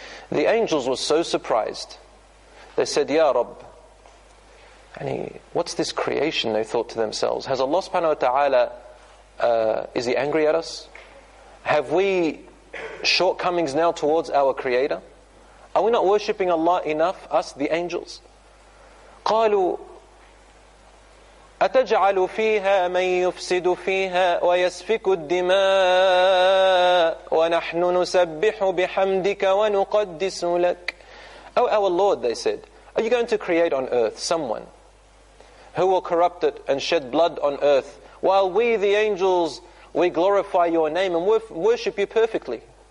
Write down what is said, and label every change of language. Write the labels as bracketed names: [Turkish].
[English] The angels were so surprised. They said, Ya Rabb. And what's this creation? They thought to themselves. Has Allah subhanahu wa ta'ala, is He angry at us? Have we shortcomings now towards our Creator? Are we not worshipping Allah enough, us, the angels? [Arabic] قالوا أتجعل فيها من يفسد فيها ويسفك الدماء ونحن نسبح بحمدك ونقدس لك. [English] Oh, our Lord, they said, are you going to create on earth someone who will corrupt it and shed blood on earth while we, the angels, we glorify your name and worship you perfectly?